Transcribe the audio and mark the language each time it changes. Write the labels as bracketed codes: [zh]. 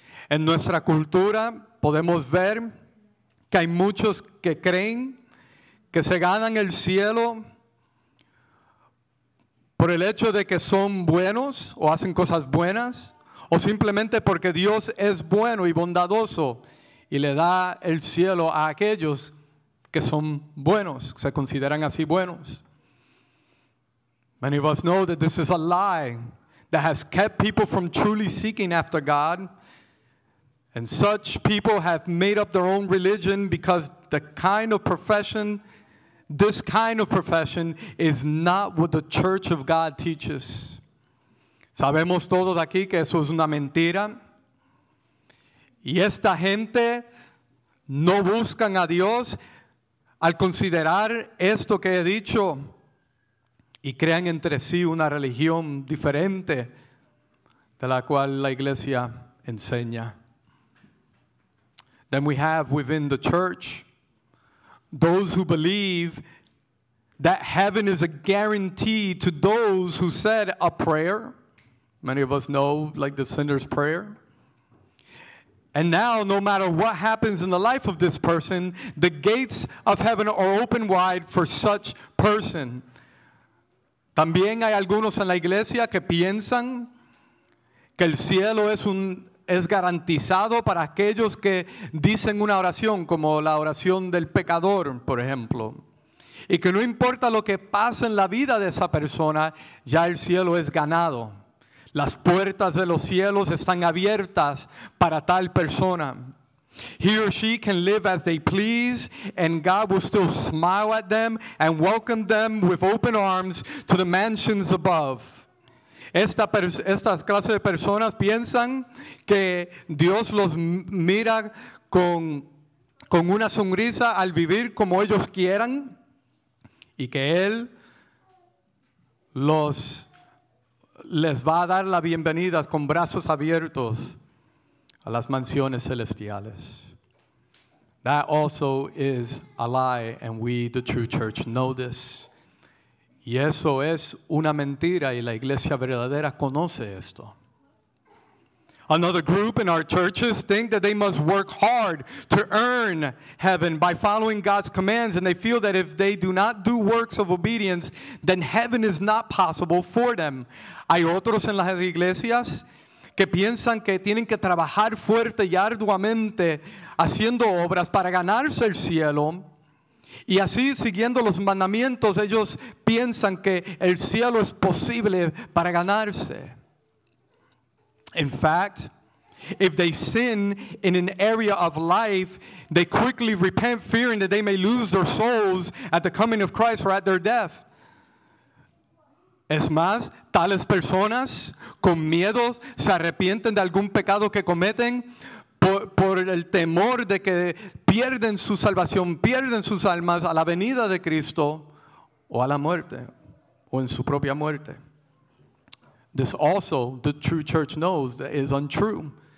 [es] En nuestra cultura podemos ver que hay muchos que creen que se ganan el cielo por el hecho de que son buenos o hacen cosas buenas, o simplemente porque Dios es bueno y bondadoso y le da el cielo a aquellos que son buenos, se consideran así buenos. [en] Many of us know that this is a lie that has kept people from truly seeking after God. And such people have made up their own religion because this kind of profession is not what the Church of God teaches. [es] Sabemos todos aquí que eso es una mentira. Y esta gente no buscan a Dios al considerar esto que he dicho. Y crean entre sí una religión diferente de la cual la iglesia enseña. [en] Then we have within the church those who believe that heaven is a guarantee to those who said a prayer. Many of us know, like the sinner's prayer. And now, no matter what happens in the life of this person, the gates of heaven are open wide for such person. [es] También hay algunos en la iglesia que piensan que el cielo es garantizado para aquellos que dicen una oración, como la oración del pecador, por ejemplo. Y que no importa lo que pase en la vida de esa persona, ya el cielo es ganado. Las puertas de los cielos están abiertas para tal persona. [en] He or she can live as they please, and God will still smile at them and welcome them with open arms to the mansions above. [es] Estas clases de personas piensan que Dios los mira con una sonrisa al vivir como ellos quieran, y que Él les va a dar la bienvenida con brazos abiertos a las mansiones celestiales. [en] That also is a lie, and we, the true church, know this. [es] Y eso es una mentira, y la iglesia verdadera conoce esto. [en] Another group in our churches think that they must work hard to earn heaven by following God's commands, and they feel that if they do not do works of obedience, then heaven is not possible for them. [es] Hay otros en las iglesias que piensan que tienen que trabajar fuerte y arduamente haciendo obras para ganarse el cielo. Y así, siguiendo los mandamientos, ellos piensan que el cielo es posible para ganarse. [en] In fact, if they sin in an area of life, they quickly repent, fearing that they may lose their souls at the coming of Christ or at their death. [es] Es más, tales personas con miedo se arrepienten de algún pecado que cometen por el temor de que pierden su salvación, pierden sus almas a la venida de Cristo o a la muerte, o en su propia muerte. [en] This also, the true church knows, that is untrue.